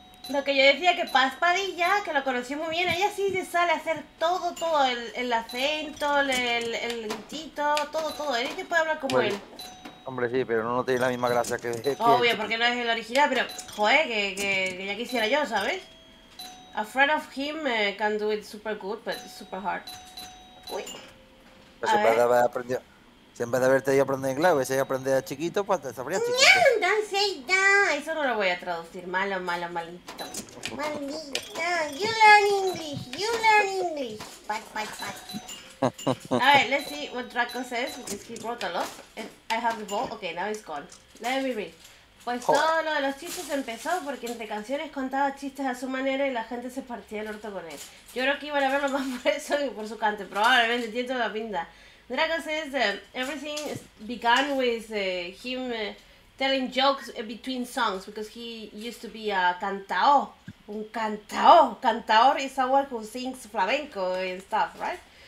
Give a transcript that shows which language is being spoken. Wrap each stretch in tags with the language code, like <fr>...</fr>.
<es>Lo que yo decía, que Paz Padilla, que lo conoció muy bien, ella sí le sale a hacer todo, el acento, el gritito, todo, ella te puede hablar como él. Hombre, sí, pero no tiene la misma gracia que... Obvio, porque no es el original, pero, joder, que ya quisiera yo, ¿sabes?</es> <en>A friend of him can do it super good, but it's super hard. Uy.</en> <es>Pero siempre debe haber aprendido. Si en vez de haberte ido a aprender inglés, hubiese ido a aprender a chiquito, pues te sabría chiquito. ¡No! ¡No sé! ¡No! Eso no lo voy a traducir. Malo, malito. Maldito.</es> <en>You learn English. You learn English. Bye.</en> <es>A ver,</es> <en>let's see what Draco says, because he brought a lot. I have the ball. Okay, now it's gone. Let me read.</en> <es>Pues todo lo de los chistes empezó porque entre canciones contaba chistes a su manera y la gente se partía el orto con él. Yo creo que iban a verlo más por eso que por su cante. Probablemente tiene toda la pinta.</es> <en>Draco says that everything began with him telling jokes between songs because he used to be a cantao.</en> <es>Un cantao.</es> <en>Cantaor is someone who sings flamenco and stuff, right?</en>